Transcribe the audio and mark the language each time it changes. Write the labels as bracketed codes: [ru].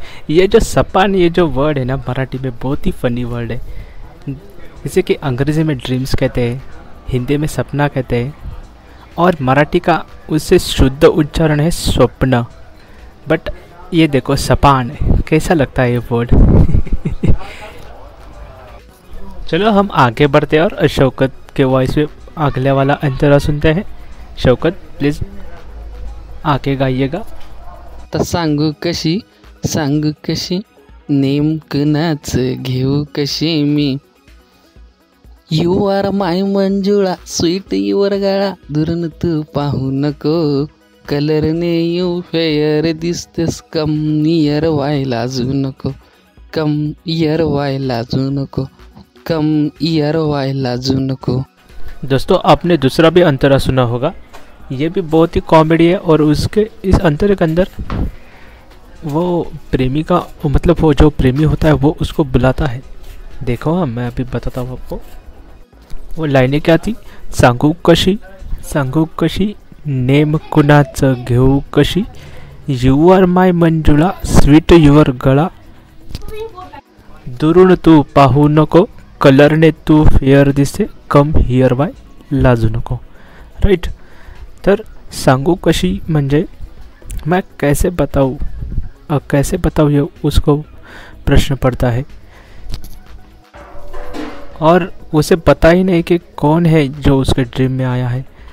[hi] ये जो सपन ये जो वर्ड है ना मराठी में बहुत ही फनी वर्ड है, जैसे कि अंग्रेजी में ड्रीम्स कहते हैं, हिंदी में सपना कहते हैं, और मराठी का उससे शुद्ध उच्चारण है स्वप्न। बट ये देखो सपान है, कैसा लगता है ये वर्ड। चलो हम आगे बढ़ते हैं और शौकत के वॉइस में अगले वाला अंतरा सुनते हैं। शौकत प्लीज आके गाइएगा। [mr] तो सांगु कशी नेमकनाच घेऊ कशी मी, [en] you are my [mr] Manjula sweet your गळा, दुरन तू पाहू नको कलर ने यू फेयर दिसतेस, कम इयर व्हायला जू नको, कम इयर व्हायला जू नको, कम इयर व्हायला जू नको। [hi] दोस्तों आपने दूसरा भी अंतरा सुना होगा, ये भी बहुत ही कॉमेडी है और उसके इस अंतरे के अंदर वो प्रेमी का मतलब वो जो प्रेमी होता है वो उसको बुलाता है। देखो मैं अभी बताता हूँ आपको वो लाइनें क्या थी। [mr] सांगू कशी नेम कुनाच घेऊ कशी, [en] you are my [mr] Manjula sweet your गळा, दुरुण तू पाहू नको कलर ने तू फेअर दिसे, [en] come here बाय [mr] लाजू नको। [hi] राईट, [mr] तर सांगू कशी म्हणजे [hi] मैं कैसे बताऊ, कैसे बताऊ ये उसको प्रश्न पड़ता है और उसे पता ही नहीं कि कौन है जो उसके ड्रीम में आया है।